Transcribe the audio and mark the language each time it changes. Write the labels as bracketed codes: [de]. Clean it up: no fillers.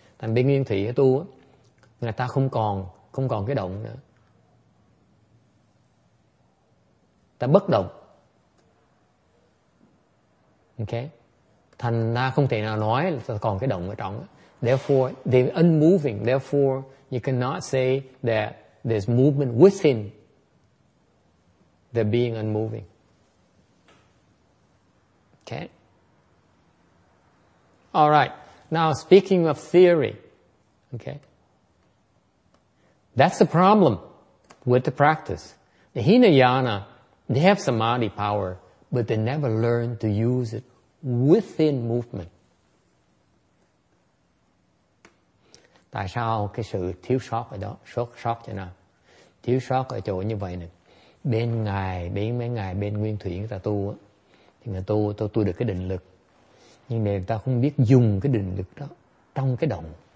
[vi] Thành bên nguyên thủy tu, người ta không còn cái động nữa. Ta bất động. Okay? Thành ta không thể nào nói là ta còn cái động ở trong. [en] Therefore, they're unmoving. Therefore, you cannot say that there's movement within the being unmoving. Okay. All right. Now, speaking of theory, okay, that's the problem with the practice. The Hinayana, they have samadhi power, but they never learn to use it within movement. [vi] Tại sao cái sự thiếu sót ở đó, sót cho nào? Thiếu sót ở chỗ như vậy nè. Bên ngài, bên mấy ngài, bên nguyên thủy người ta tu á, thì người ta tu được cái định lực. Nhưng mà người ta không biết dùng cái định lực đó trong cái động.